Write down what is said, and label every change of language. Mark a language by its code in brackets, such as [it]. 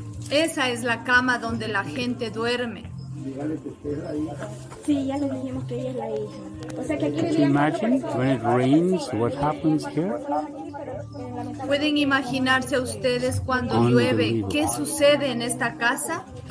[es] Esa es la cama donde la gente duerme. Sí, ya le dijimos que ella es la hija. [en] Can you imagine when it rains, what happens here? [es] ¿Pueden imaginarse ustedes cuando llueve, qué sucede en esta casa?